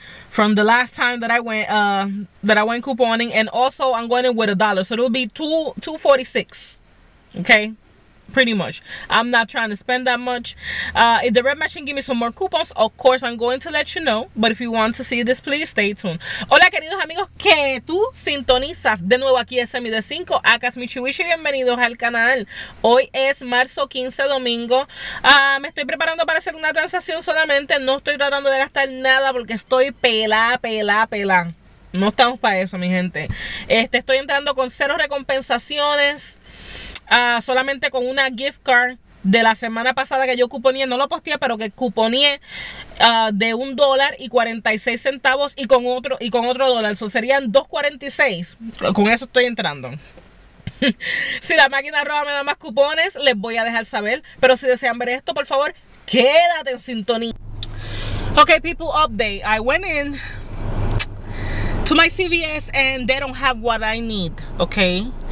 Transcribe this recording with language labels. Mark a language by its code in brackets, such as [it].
[en] From the last time that I went couponing, and also I'm going in with a dollar, so it'll be $2.46. Okay? Pretty much. I'm not trying to spend that much. If the red machine give me some more coupons, of course I'm going to let you know. But if you want to see this, please stay tuned. [es] Hola queridos amigos, que tú sintonizas de nuevo aquí a Semi de 5. Acá es Michi Wichi, bienvenidos al canal. Hoy es marzo 15, domingo. Me estoy preparando para hacer una transacción solamente. No estoy tratando de gastar nada porque estoy pelá. No estamos para eso, mi gente. Estoy entrando con cero recompensaciones. Solamente con una gift card de la semana pasada que yo cuponié, no lo posteé, pero que cuponié de $1.46 y con otro dólar. Eso serían $2.46. Con eso estoy entrando. Si la máquina roja me da más cupones, les voy a dejar saber. Pero si desean ver esto, por favor, quédate en sintonía. [en] Ok, people, update. I went in to my CVS and they don't have what I need. Ok.